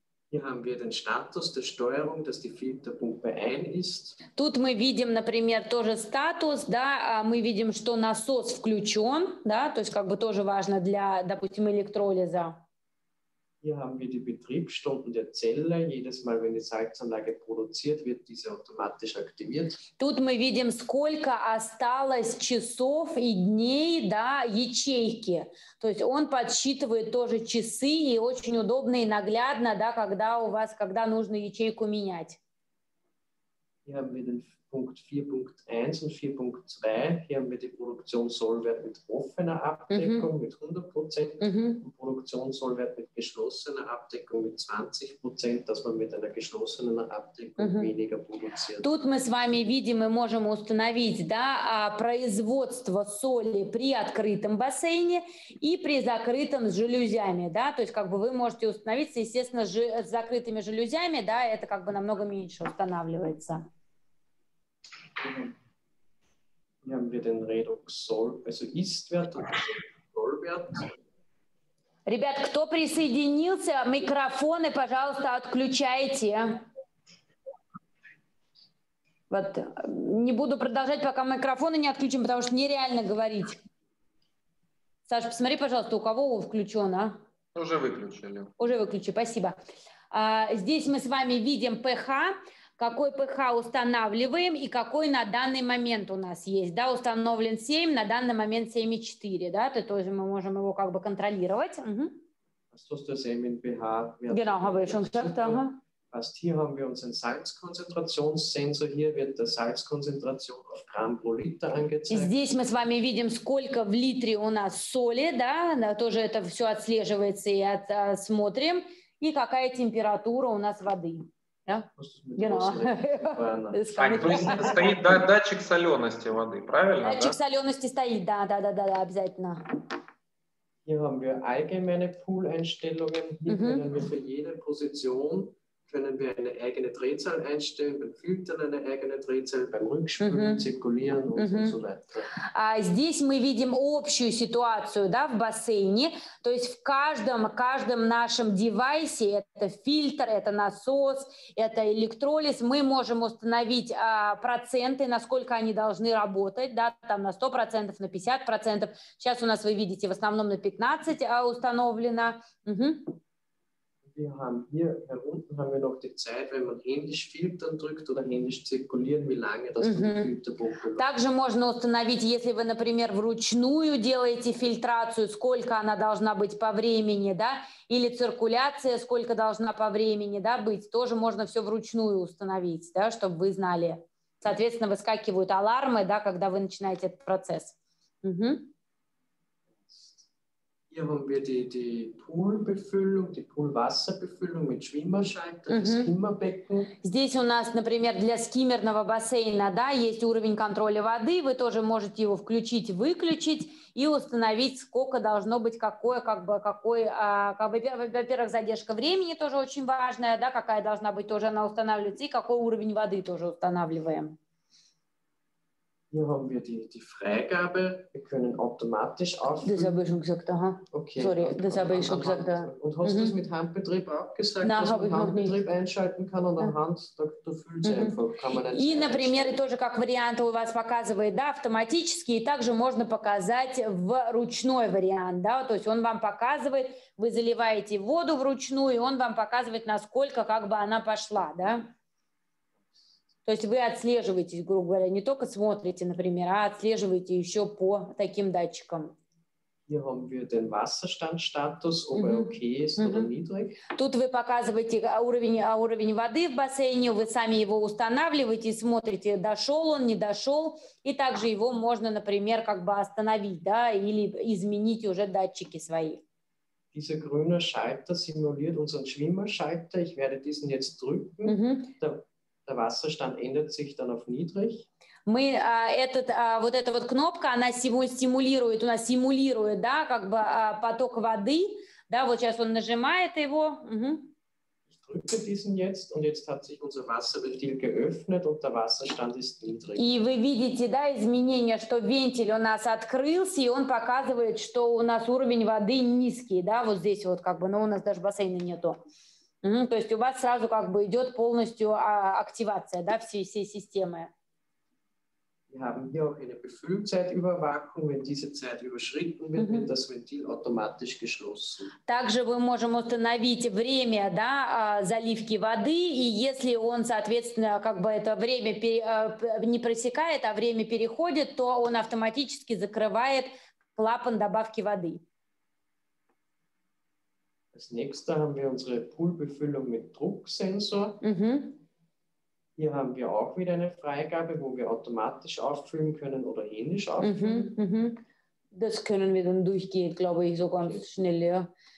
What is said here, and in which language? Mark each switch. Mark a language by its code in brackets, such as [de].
[ru] Тут мы видим, например, тоже статус, да, мы видим, что насос включен, да, то есть как бы тоже важно для, допустим, электролиза. [de] Hier haben wir die Betriebsstunden der Zelle. Jedes Mal, wenn die Salzanlage produziert, wird diese automatisch aktiviert. [ru] Тут мы видим, сколько осталось часов и дней, да, ячейки. То есть он подсчитывает тоже часы и очень удобно и наглядно, да, когда у вас, когда нужно ячейку менять. [de] Hier haben wir den Punkt 4.1 und 4.2. Hier haben wir die Produktionssollwert mit offener Abdeckung mit 100% und Produktionssollwert mit geschlossener Abdeckung mit 20%, dass man mit einer geschlossenen Abdeckung weniger produziert. [ru] Тут мы с вами видим, мы можем установить, да, производство соли при открытом бассейне и при закрытом с жалюзями, да, то есть как бы вы можете установиться, естественно, с закрытыми жалюзями, да, это как бы намного меньше устанавливается. [de] Hier haben wir den Redox-Soll, also Ist-Wert und Soll-Wert. [ru] Ребят, кто присоединился, микрофоны, пожалуйста, отключайте. Вот, не буду продолжать, пока микрофоны не отключим, потому что нереально говорить. Саша, посмотри, пожалуйста, у кого включен, а? Уже выключили. Уже выключили, спасибо. Здесь мы с вами видим pH. Какой pH устанавливаем и какой на данный момент у нас есть. Да, установлен 7, на данный момент 7,4. Да, то есть мы можем его как бы контролировать. Здесь мы с вами видим, сколько в литре у нас соли. Да, тоже это все отслеживается и смотрим. и какая температура у нас воды. Стоит датчик солености воды, правильно? Датчик солености стоит, да, обязательно. [de] Hier haben wir allgemeine Pool-Einstellungen. Hier können wir für jede Position können wir eine eigene Drehzahl einstellen, beim Filtern eine eigene Drehzahl, beim Rückspülen, Zirkulieren und so weiter. [ru] Здесь мы видим общую ситуацию, да, в бассейне. То есть в каждом нашем девайсе, это фильтр, это насос, это электролиз, мы можем установить проценты, насколько они должны работать, да, там на 100%, на 50%. Сейчас у нас, вы видите, в основном на 15% установлено. [de] Wir haben hier unten haben wir noch die Zeit, wenn man händisch filtern drückt oder händisch zirkulieren, wie lange das [ru] Также можно установить, если вы, например, вручную делаете фильтрацию, сколько она должна быть по времени, да, или циркуляция, сколько должна по времени, да, быть, тоже можно все вручную установить, да, чтобы вы знали. Соответственно, выскакивают алармы, да, когда вы начинаете этот процесс. [de] Hier haben wir die Poolbefüllung, die Poolwasserbefüllung mit Schwimmerschalter, das Skimmerbecken. [ru] Здесь у нас, например, для скиммерного бассейна, да, есть уровень контроля воды. Вы тоже можете его включить, выключить и установить, сколько должно быть какое, как бы какой, как бы, во-первых, задержка времени тоже очень важная, да, какая должна быть тоже она устанавливается и какой уровень воды тоже устанавливаем. [de] Hier haben wir die Freigabe. Wir können automatisch auffüllen. Das habe ich schon gesagt, aha. Okay. Sorry, das habe ich schon gesagt. Und hast du das mit Handbetrieb auch gesagt, Nein, dass man Handbetrieb nicht einschalten kann und anhand, da füllt sie einfach, kann man [ru] И, например, тоже как вариант у вас показывает, да, автоматически, и также можно показать в ручной вариант, да, то есть он вам показывает, вы заливаете воду вручную, и он вам показывает, насколько как бы она пошла, да. То есть вы отслеживаете, грубо говоря, не только смотрите, например, а отслеживаете еще по таким датчикам. [de] Hier haben wir den Wasserstandstatus, ob er okay ist oder niedrig. [ru] Тут вы показываете уровень воды в бассейне, вы сами его устанавливаете, смотрите, дошел он, не дошел, и также его можно, например, как бы остановить, да, или изменить уже датчики свои. [de] Dieser grüne Schalter simuliert unseren Schwimmerschalter. Ich werde diesen jetzt drücken. Der Wasserstand ändert sich dann auf niedrig. [ru] Мы этот вот эта вот кнопка, она стимулирует, у нас симулирует, да, как бы поток воды, да, вот сейчас он нажимает его. [de] Ich drücke diesen jetzt und jetzt hat sich unser Wasserventil geöffnet und der Wasserstand ist niedrig. [ru] И вы видите, да, изменение, что вентиль у нас открылся, и он показывает, что у нас уровень воды низкий, да, вот здесь вот как бы, но у нас даже бассейна нету. То есть у вас сразу как бы идет полностью активация, да, всей системы. [de] Wir haben hier auch eine Befüllzeitüberwachung, wenn diese Zeit überschritten wird, wird das Ventil automatisch geschlossen. [ru] Также мы можем установить время, да, заливки воды, и если он, соответственно, как бы это время не пересекает, а время переходит, то он автоматически закрывает клапан добавки воды. [de] Als nächstes haben wir unsere Poolbefüllung mit Drucksensor. Hier haben wir auch wieder eine Freigabe, wo wir automatisch auffüllen können oder händisch auffüllen. Das können wir dann durchgehen, glaube ich, so ganz schnell, ja.